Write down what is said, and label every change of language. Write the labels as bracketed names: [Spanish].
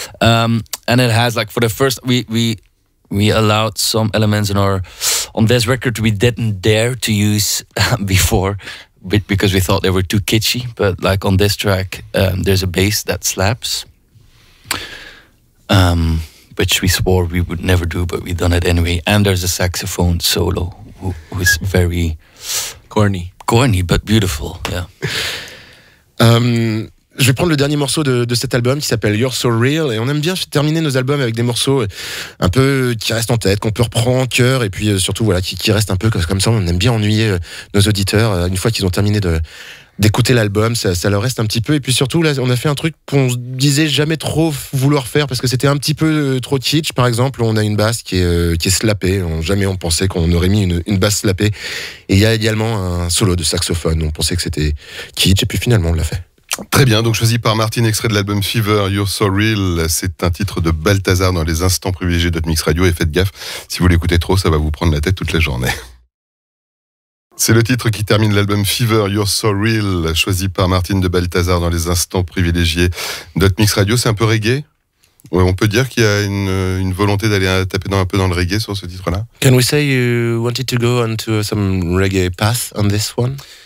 [English] And it has like, for the first, we allowed some elements on this record we didn't dare to use before because we thought they were too kitschy. But like on this track, there's a bass that slaps, which we swore we would never do, but we've done it anyway. And there's a saxophone solo who is very corny. Corny, but beautiful, yeah. [French] Je vais prendre le dernier morceau de cet album qui s'appelle You're So Real, et on aime bien terminer nos albums avec des morceaux un peu qui restent en tête, qu'on peut reprendre en cœur, et puis surtout voilà, qui restent un peu comme ça. On aime bien ennuyer nos auditeurs une fois qu'ils ont terminé d'écouter l'album, ça leur reste un petit peu. Et puis surtout là, on a fait un truc qu'on se disait jamais trop vouloir faire parce que c'était un petit peu trop kitsch. Par exemple, on a une basse qui est slappée. Jamais on pensait qu'on aurait mis une basse slappée. Et il y a également un solo de saxophone. On pensait que c'était kitsch et puis finalement on l'a fait. Très bien, donc choisi par Martin, extrait de l'album Fever, You're So Real. C'est un titre de Balthazar dans les instants privilégiés de Mix Radio. Et faites gaffe, si vous l'écoutez trop, ça va vous prendre la tête toute la journée. C'est le titre qui termine l'album Fever, You're So Real, choisi par Martin de Balthazar dans les instants privilégiés. Dotmix Radio, c'est un peu reggae. Ouais, on peut dire qu'il y a une volonté d'aller taper un peu dans le reggae sur ce titre-là. [English] Can we say you wanted to go onto some reggae path on this one?